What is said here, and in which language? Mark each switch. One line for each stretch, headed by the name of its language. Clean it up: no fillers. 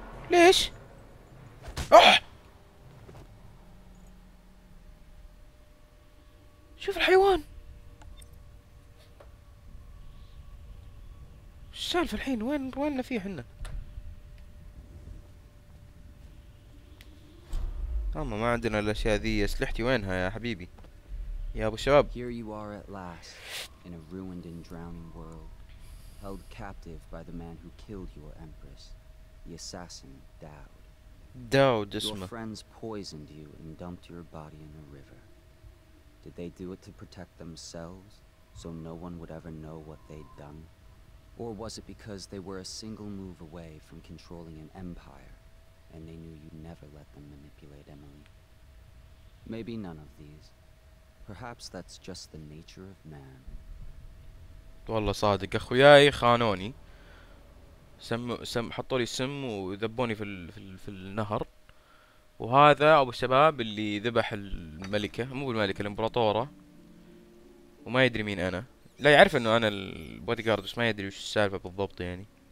Arabic: ليش؟ اه شوف الحيوان وش سالفة الحين؟ وين فيه حنا؟ اما ما عندنا الاشياء ذي، اسلحتي وينها يا حبيبي يا ابو الشباب؟
English: Here you are at last in a ruined and drowning world, held captive by the man who killed your empress. The assassin, Dowd. Dowd, just your friends poisoned you and dumped your body in a river. Did they do it to protect themselves, so no one would ever know what they'd done? Or was it because they were a single move away from controlling an empire, and they knew you'd never let them manipulate Emily? Maybe none of these. Perhaps that's just the nature of man.
Arabic: والله صادق اخوياي خانوني. سم حطوا لي سم وذبوني في النهر، وهذا ابو الشباب اللي ذبح الملكة، مو الملكة، الامبراطورة، وما يدري مين انا. لا يعرف انه انا البودي جارد، بس ما يدري وش السالفة بالضبط يعني.